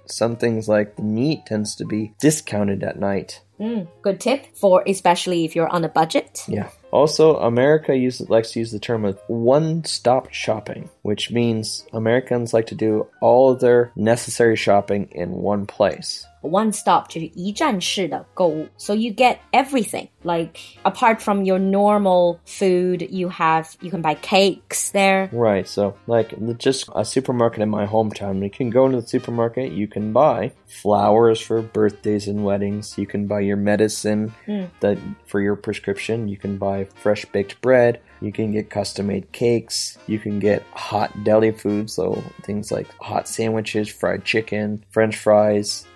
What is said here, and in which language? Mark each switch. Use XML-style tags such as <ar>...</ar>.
<en>Some things like the meat tends to be discounted at night. Good tip for especially if you're on a budget. Yeah. Also, America likes to use the term of one-stop shopping, which means Americans like to do all of their necessary shopping in one place.</en> <zh>One-stop, 就是一站式的购物。</zh> <en>So you get everything. Like, apart from your normal food, you can buy cakes there. Right, so like just a supermarket in my hometown, you can go into the supermarket, you can buy flowers for birthdays and weddings, you can buy your medicine that for your prescription, you can buy fresh baked bread, you can get custom-made cakes, you can get hot deli foods, so things like hot sandwiches, fried chicken, french fries.</en>